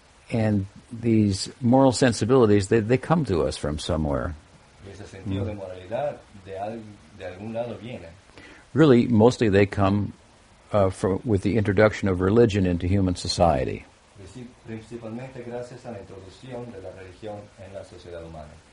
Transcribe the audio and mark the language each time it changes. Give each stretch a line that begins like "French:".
English: And these moral sensibilities, they come to us from somewhere.
Spanish: Ese sentido de moralidad de algún lado viene.
English: Really, mostly they come from with the introduction of religion into human society.
Spanish: Principalmente gracias a la introducción de la religión en la sociedad humana.